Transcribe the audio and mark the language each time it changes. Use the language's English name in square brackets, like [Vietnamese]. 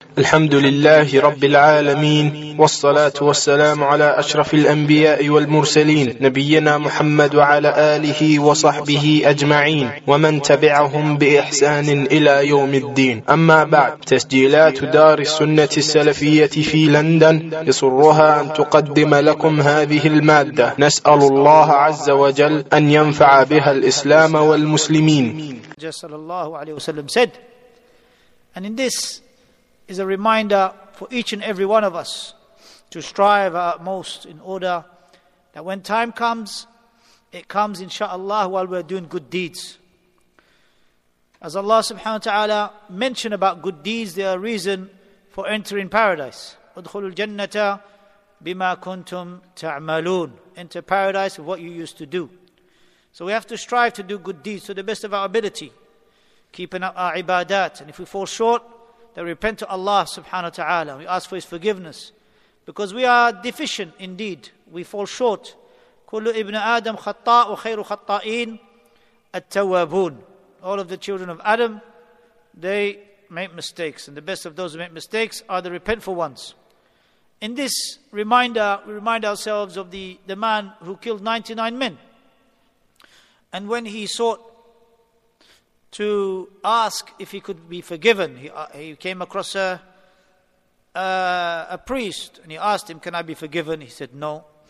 [Arabic] الحمد لله رب العالمين، والصلاة والسلام على أشرف الأنبياء والمرسلين، نبينا محمد وعلى آله وصحبه أجمعين، ومن تبعهم بإحسان إلى يوم الدين. أما بعد، تسجيلات دار السنة السلفية في لندن يسرها أن تقدم لكم هذه المادة. نسأل الله عز وجل أن ينفع بها الإسلام والمسلمين. صلى الله عليه وسلم [English] said, and in this is a reminder for each and every one of us to strive our utmost in order that when time comes, it comes inshallah while we're doing good deeds. As Allah subhanahu wa ta'ala mentioned about good deeds, they are a reason for entering paradise. [Arabic] Udkhulu al-jannata bima kuntum ta'amaloon. [English] Enter paradise with what you used to do. So we have to strive to do good deeds to the best of our ability, keeping up our ibadat. And if we fall short, that we repent to Allah subhanahu wa ta'ala. We ask for His forgiveness. Because we are deficient indeed. We fall short. [Arabic] كل ابن آدم خطاء وخير خطائين التوابون. [English] All of the children of Adam, they make mistakes. And the best of those who make mistakes are the repentful ones. In this reminder, we remind ourselves of the man who killed 99 men. And when he sought to ask if he could be forgiven, He came across a priest, and he asked him, can I be forgiven? He said, no.